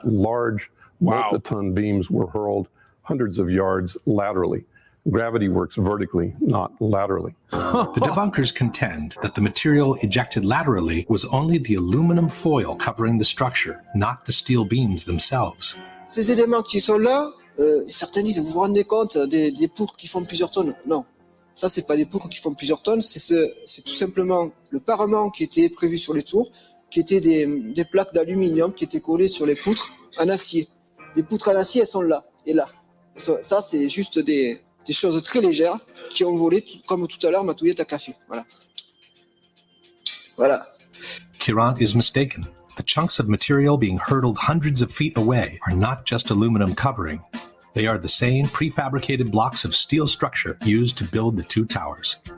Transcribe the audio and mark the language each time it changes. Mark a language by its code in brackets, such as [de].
[en] Large multi-ton beams were hurled hundreds of yards laterally. Gravity works vertically, not laterally. The debunkers contend that the material ejected laterally was only the aluminum foil covering the structure, not the steel beams themselves. [fr] Ces éléments qui sont là, certains disent, vous vous rendez compte, des poutres qui font plusieurs tonnes. Non, ça c'est pas des poutres qui font plusieurs tonnes, c'est tout simplement le parement qui était prévu sur les tours, qui était des plaques d'aluminium qui étaient collées sur les poutres en acier. Les poutres en acier, elles sont là. Et là, ça c'est juste des choses très légères qui ont volé, comme tout à l'heure, ma touillette à café. Voilà. Voilà. [en] Kiran is mistaken. The chunks of material being hurtled hundreds of feet away are not just aluminum covering. They are the same prefabricated blocks of steel structure used to build the two towers.